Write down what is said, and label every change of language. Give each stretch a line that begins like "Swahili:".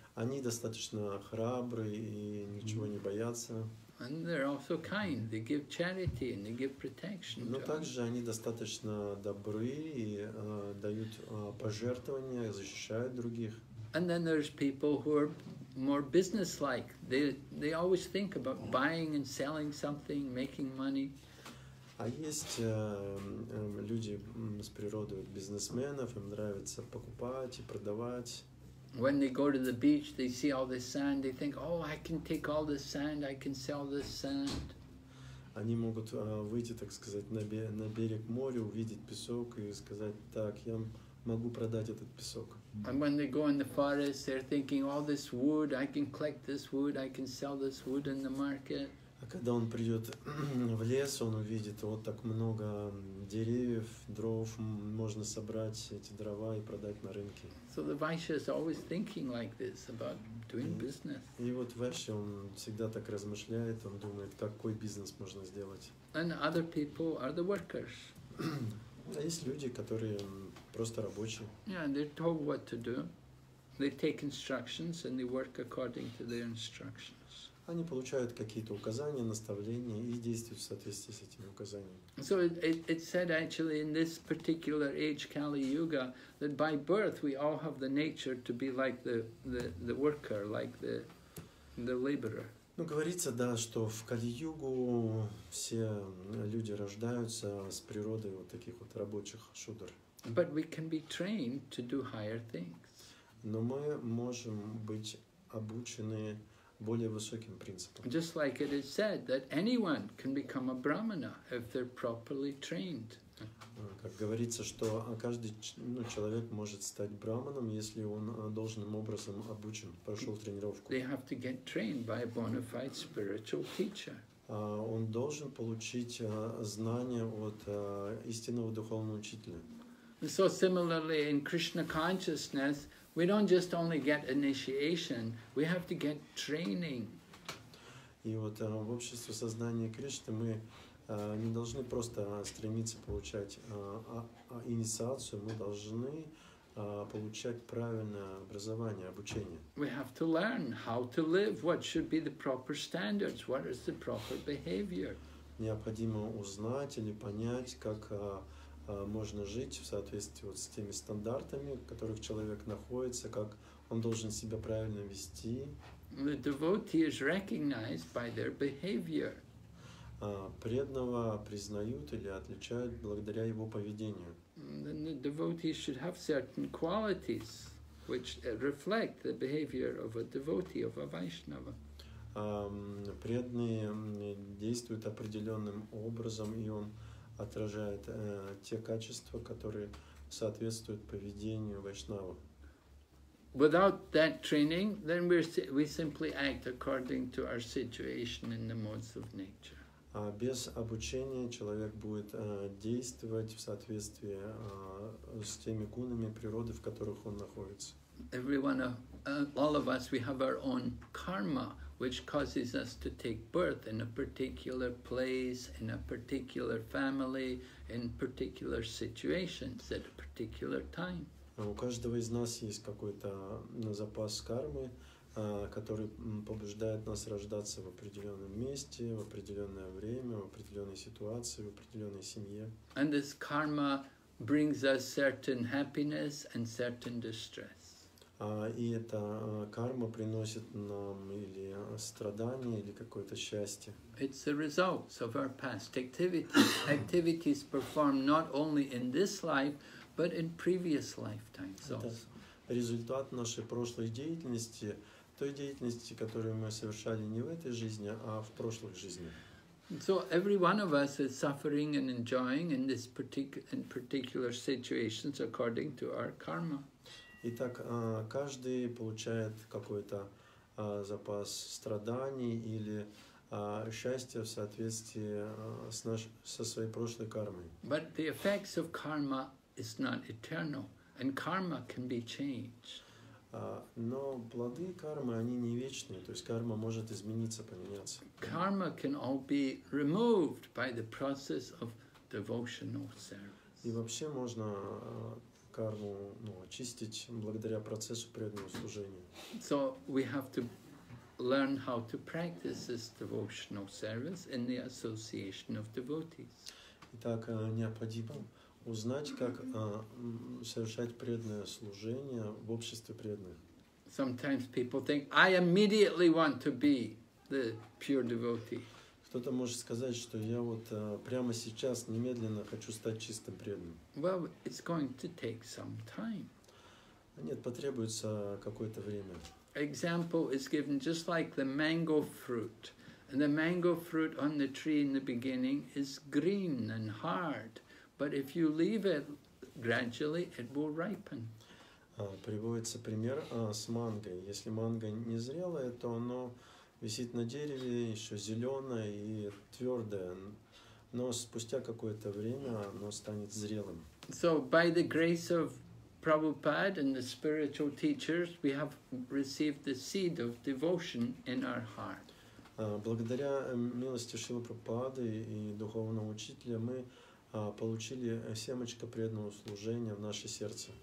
Russian: Они достаточно храбры и ничего не боятся.
English: And they're also kind. They give charity and they give protection.
Russian: Но также они достаточно добры и дают пожертвования, защищают других.
English: And then there's people who are more business-like. They always think about buying and selling something, making money.
Russian: А есть люди с природой бизнесменов, им нравится покупать и продавать.
English: When they go to the beach, they see all this sand, they think, oh, I can take all this sand, I can sell this sand.
Russian: Они могут выйти, так сказать, на берег моря, увидеть песок и сказать, так, я могу продать этот песок.
English: And when they go in the forest, they're thinking, all this wood, I can collect this wood, I can sell this wood in the market.
Russian: А когда он придет в лес, он увидит вот так много деревьев, дров, можно собрать эти дрова и продать на рынке.
English: So the Vaishya is always thinking like this about doing business.
Russian: И вот Vaishya, он всегда так размышляет, он думает, какой бизнес можно сделать.
English: And other people are the workers.
Russian: А есть люди, которые просто рабочие.
English: Yeah, they're told what to do. They take instructions and they work according to their instructions.
Russian: Они получают какие-то указания, наставления и действуют в соответствии с этими указаниями.
English: So it said actually in this particular age, Kali Yuga, that by birth we all have the nature to be like the worker, like the laborer.
Russian: Ну, говорится, да, что в Кали-Югу все люди рождаются с природой вот таких вот рабочих шудр.
English: But we can be trained to do higher things.
Russian: Но мы можем быть обучены более высоким принципам.
English: Just like it is said that anyone can become a brahmana if they're properly trained.
Russian: Как говорится, что каждый человек может стать брахманом, если он должным образом обучен, прошел тренировку.
English: They have to get trained by a bona fide spiritual teacher.
Russian: Он должен получить знания от истинного духовного учителя.
English: And so similarly in Krishna consciousness, we don't just only get initiation, we have to get training.
Russian: И вот в обществе сознания Кришны мы не должны просто стремиться получать инициацию, мы должны получать правильное образование, обучение.
English: We have to learn how to live, what should be the proper standards, what is the proper behavior.
Russian: Необходимо узнать или понять, как можно жить в соответствии вот с теми стандартами, в которых человек находится, как он должен себя правильно вести.
English: The devotee is recognized by their behavior.
Russian: Преданного признают или отличают благодаря его поведению.
English: Then the devotee should have certain qualities which reflect the behavior of a devotee, of a Vaishnava.
Russian: Преданные действуют определенным образом, и он отражает те качества, которые соответствуют поведению Вайшнава.
English: Without that training, then we simply act according to our situation in the modes of nature.
Russian: А без обучения человек будет действовать в соответствии с теми гунами природы, в которых он находится.
English: All of us, we have our own karma, which causes us to take birth in a particular place, in a particular family, in particular situations at a particular time.
Russian: У каждого из нас есть какой-то запас кармы, который побуждает нас рождаться в определенном месте, в определенное время, в определенной ситуации, в определенной семье.
English: And this karma brings us certain happiness and certain distress.
Russian: И эта карма приносит нам или страдания, или какое-то счастье.
English: It's the results of our past activities. Activities performed not only in this life, but in previous lifetimes also.
Russian: Результат нашей прошлой деятельности, той деятельности, которую мы совершали не в этой жизни, а в прошлых жизнях.
English: So every one of us is suffering and enjoying in this particular situations according to our karma.
Russian: Итак, каждый получает какой-то запас страданий или счастья в соответствии со своей прошлой кармой.
English: But the effects of karma is not eternal, and karma can be changed.
Russian: Но плоды кармы, они не вечные, то есть карма может измениться, поменяться.
English: Karma can all be removed by the process of devotional service.
Russian: И вообще можно карму, ну, очистить благодаря процессу преданного служения.
English: So we have to learn how to practice this devotional service in the association of devotees.
Russian: Итак, необходимо узнать, как совершать преданное служение в обществе преданных.
English: Sometimes people think, I immediately want to be the pure devotee.
Russian: Кто-то может сказать, что я вот прямо сейчас, немедленно хочу стать чистым преданным.
English: Well, it's going to take some time.
Russian: Нет, потребуется какое-то время.
English: Example is given just like the mango fruit. And the mango fruit on the tree in the beginning is green and hard. But if you leave it gradually, it will ripen.
Russian: Приводится пример с мангой. Если манга не зрелая, то оно висит на дереве, еще зеленое и твердое. Но спустя какое-то время оно станет зрелым.
English: So by the grace of Prabhupada and the spiritual teachers, we have received the seed of devotion in our heart.
Russian: Благодаря милости Шрилы Прабхупады и духовного учителя мы получили семечко преданного служения в наше сердце.